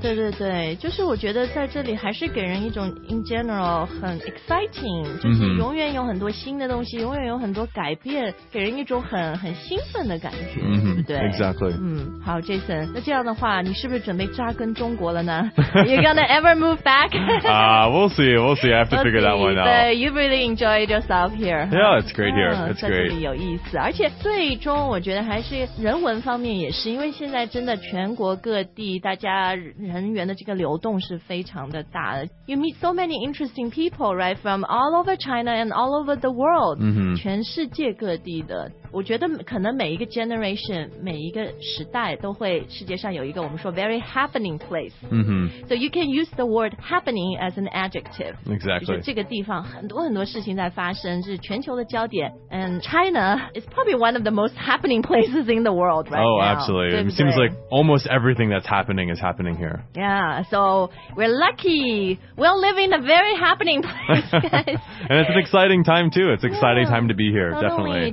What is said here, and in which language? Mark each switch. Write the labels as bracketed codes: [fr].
[zh] 对对对，就是我觉得在这里还是给人一种 in general 很 exciting, 就是永远有很多新的东西，永远有很多改变，给人一种很兴奋的感觉。对， [en] exactly. [zh] 好 Jason, 那这样的话你是不是准备扎根中国了呢？ [en] Are you gonna ever move back? We'll see. I have to figure that one out. You've really enjoyed yourself here. Yeah, it's great here. It's great. [zh] 在这里有意思，而且最终我觉得还是人文方面也是，因为现在真的全国各地大家人员的这个流动是非常的大的。 [en] You meet so many interesting people, right, from all over China and all over the world. [zh] 全世界各地的，我觉得可能每一个 generation 每一个时代都会世界上有一个我们说 [en] very happening place. So you can use the word happening as an adjective. Exactly. [zh] 就是这个地方很多很多事情在发生，是全球的焦点。 [en] And China is probably one of the most happening places in the world right now. Oh, absolutely. [zh] 对不对? [en] It seems like almost everything that's happening is happening here. Yeah, so we're lucky. We're living in a very happening place, guys. And it's an exciting time too. It's an exciting time to be here, definitely.